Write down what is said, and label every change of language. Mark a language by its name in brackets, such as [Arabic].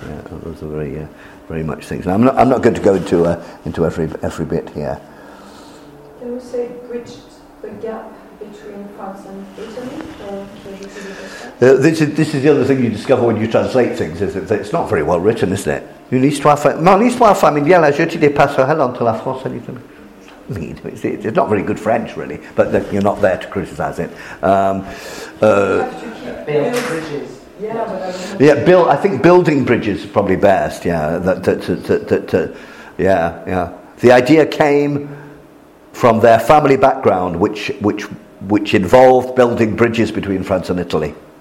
[English] Yeah, those are very very much things. And I'm not going to go into every bit here. Can we say bridged the gap between France and Italy? This is the other thing you discover when you translate things, is that it's not very well written, is it? [French] Une histoire mon histoire familiale a jeté des passerelles entre la France et l'Italie. [English] I mean, it's not very good French, really, but you're not there to criticise it. Bridges. Yeah, build. I think building bridges is probably best. Yeah, that. The idea came from their family background, which involved building bridges between France and Italy.